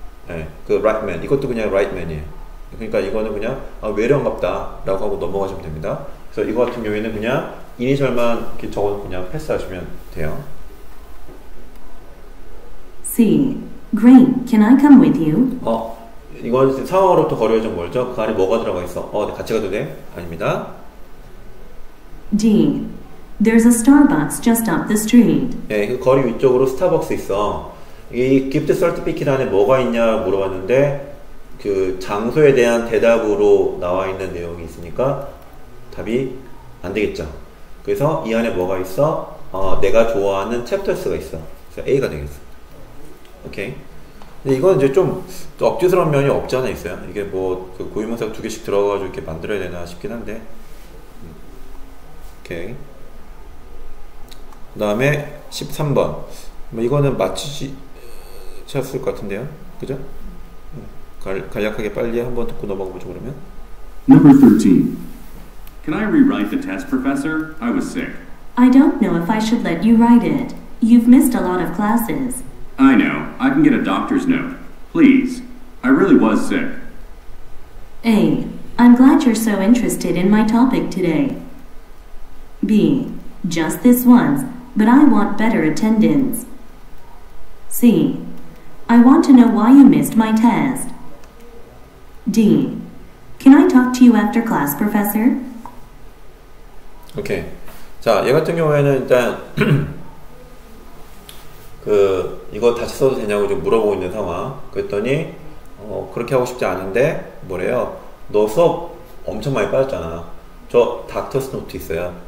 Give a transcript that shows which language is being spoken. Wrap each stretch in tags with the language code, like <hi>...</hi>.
<ko>예, 그 Reitman 이것도 그냥 Reitman이에요. 그러니까 이거는 그냥 아, 외래어인갑다라고 하고 넘어가시면 됩니다. 그래서 이거 같은 경우에는 그냥 이니셜만 이렇게 적어서 그냥 패스하시면 돼요.</ko> <en>C. Great. Can I come with you?</en> <ko>어, 이건 상황으로부터 거리가 멀죠? 그 안에 뭐가 들어가 있어? 어, 같이 가도 돼? 아닙니다.</ko> <en>D. There's a Starbucks just up the street.</en> <ko>네, 그 거리 위쪽으로 스타벅스 있어. 이</ko> <en>gift certificate</en> <ko>안에 뭐가 있냐 물어봤는데 그 장소에 대한 대답으로 나와 있는 내용이 있으니까 답이 안 되겠죠. 그래서 이 안에 뭐가 있어? 어, 내가 좋아하는 챕터스가 있어. 그래서 A가 되겠어. 오케이. 근데 이건 이제 좀 억지스러운 면이 없지 않아 있어요. 이게 뭐 그 고유명사 두 개씩 들어가가지고 이렇게 만들어야 되나 싶긴 한데. 오케이. 그 다음에 13번. 뭐 이거는 맞추셨을 것 같은데요. 그죠? 간략하게 빨리 한번 듣고 넘어가 보죠, 그러면.</ko> <en>Number 13. Can I rewrite the test, professor? I was sick. I don't know if I should let you write it. You've missed a lot of classes. I know. I can get a doctor's note. Please. I really was sick. A. I'm glad you're so interested in my topic today. B. Just this once, but I want better attendance. C. I want to know why you missed my test. D. Can I talk to you after class, professor?</en> <ko>오케이. 자, 얘 같은 경우에는 일단 그 이거 다시 써도 되냐고 좀 물어보고 있는 상황. 그랬더니 어, 그렇게 하고 싶지 않은데 뭐래요? 너 수업 엄청 많이 빠졌잖아. 저 닥터스 노트 있어요.</ko>